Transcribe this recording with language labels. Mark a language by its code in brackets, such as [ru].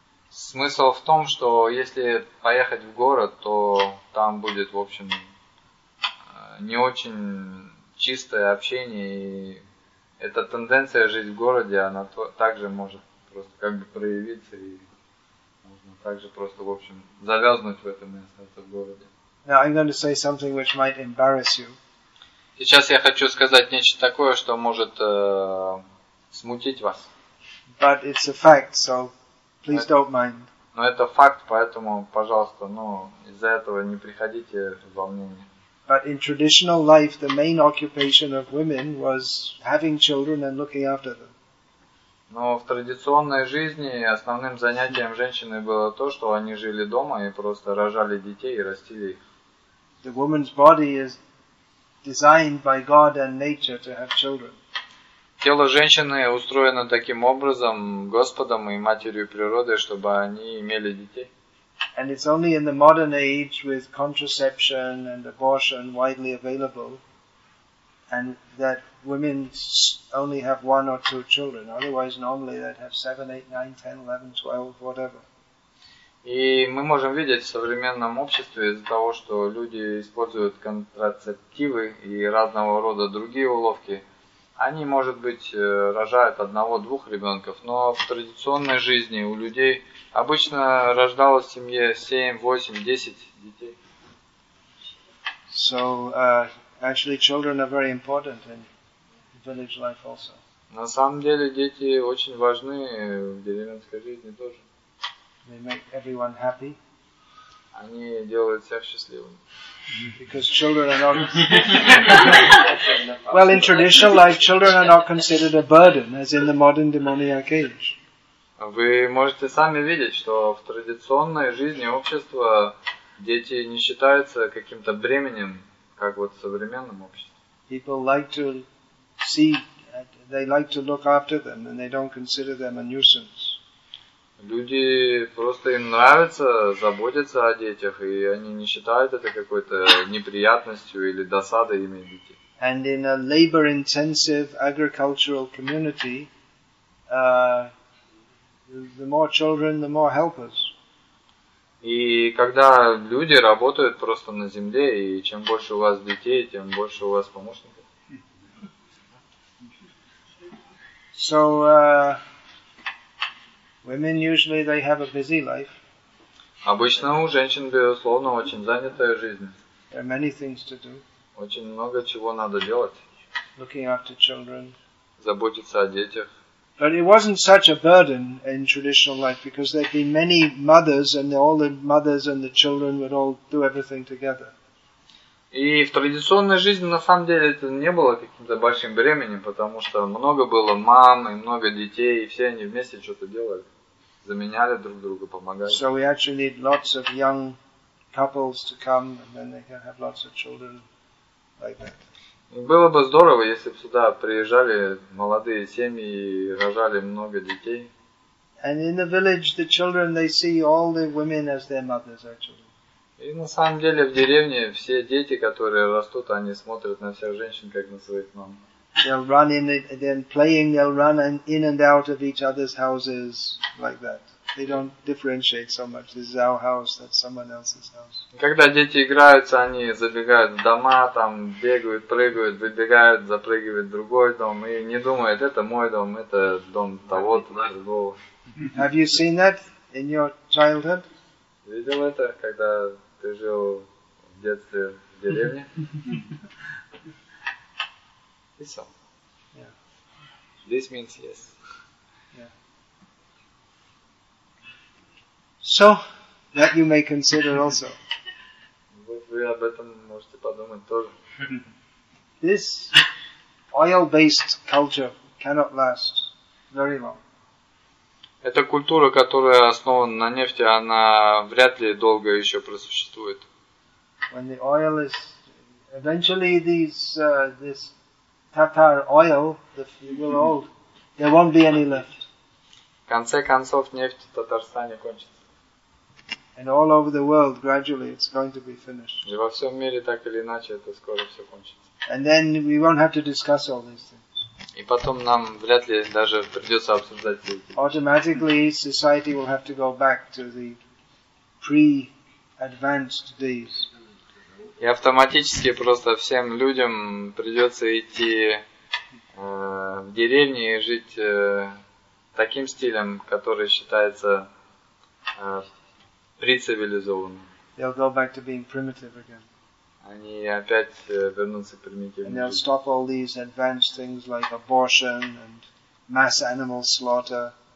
[ru] Смысл в том, что если поехать в город, то там будет, в общем, не очень чистое общение, и эта тенденция жить в городе, она также может просто как бы проявиться, и можно также просто, в общем, завязнуть в этом и остаться в городе. [en] Now I'm going to say something which might embarrass you. [ru] Сейчас я хочу сказать нечто такое, что может смутить вас. [en] But it's a fact, so... Please don't mind. [ru] Но это факт, поэтому, пожалуйста, ну, из-за этого не приходите в волнение. [en] But in traditional life, the main occupation of women was having children and looking after them. [ru] Но в традиционной жизни основным занятием женщины было то, что они жили дома и просто рожали детей и растили их. [en] The woman's body is designed by God and nature to have children. [ru] Тело женщины устроено таким образом Господом и матерью природы, чтобы они имели детей. [en] And it's only in the modern age with contraception and abortion widely available and that women only have one or two children. Otherwise, normally they'd have 7, 8, 9, 10, 11, 12, whatever. [ru] И мы можем видеть в современном обществе из-за того, что люди используют контрацептивы и разного рода другие уловки, они, может быть, рожают одного-двух ребенков, но в традиционной жизни у людей обычно рождалось в семье 7, 8, 10 детей. [en] So, actually, children are very important in village life also. [ru] На самом деле дети очень важны в деревенской жизни тоже. [en] They make everyone happy. [ru] Они делают всех счастливыми. [en] Because children are not well in traditional life, children are not considered a burden, as in the modern demoniac age. [ru] Вы можете сами видеть, что в традиционной жизни общества дети не считаются каким-то бременем, как вот в современном обществе. [en] People like to see, they like to look after them, and they don't consider them a nuisance. [ru] Люди просто им нравится заботиться о детях, и они не считают это какой-то неприятностью или досадой иметь детей. [en] And in a labor-intensive agricultural community, the more children, the more helpers. [ru] И когда люди работают просто на земле, и чем больше у вас детей, тем больше у вас помощников. [en] So, women usually they have a busy life. [ru] Обычно у женщин, безусловно, очень занятая жизнь. [en] There are many things to do. [ru] Очень много чего надо делать. [en] Looking after children. [ru] Заботиться о детях. [en] But it wasn't such a burden in traditional life because there'd be many mothers and all the mothers and the children would all do everything together. [ru] И в традиционной жизни на самом деле это не было каким-то большим бременем, потому что много было мам и много детей, и все они вместе что-то делали, заменяли друг друга, помогали. [en] So we actually need lots of young couples to come and then they can have lots of children like that. [ru] И было бы здорово, если бы сюда приезжали молодые семьи и рожали много детей. [en] And in the village the children they see all the women as their mothers actually. [ru] И на самом деле в деревне все дети, которые растут, они смотрят на всех женщин как на своих мам. [en] They'll run in and then playing, they'll run in and out of each other's houses like that. They don't differentiate so much. This is our house, that's someone else's house. [ru] Когда дети играются, они забегают в дома, там бегают, прыгают, выбегают, запрыгивают в другой дом и не думают, это мой дом, это дом того-то, другого. [en] Have you seen that in your childhood? [ru] Видел это, когда ты жил в детстве в деревне? И сам. [en] Yeah. This means yes. Yeah. So, that you may consider also. [ru] Вы об этом можете подумать тоже. [en] This oil-based culture cannot last very long. [ru] Эта культура, которая основана на нефти, она вряд ли долго еще просуществует. [en] When the oil is, eventually these, this tartar oil, will all, there won't be any left. [ru] В конце концов, нефть в Татарстане кончится. [en] And all over the world, gradually, it's going to be finished. [ru] И во всем мире так или иначе это скоро все кончится. [en] And then we won't have to discuss all these things. [ru] И потом нам вряд ли даже придется обсуждать эти. [en] Automatically society will have to go back to the pre-advanced days. [ru] И автоматически просто всем людям придется идти в деревни и жить таким стилем, который считается прецивилизованным. [en] They'll go back to being primitive again. [ru] Они опять вернутся к примитивным. [en] And they'll stop all these advanced things like abortion and mass animal slaughter.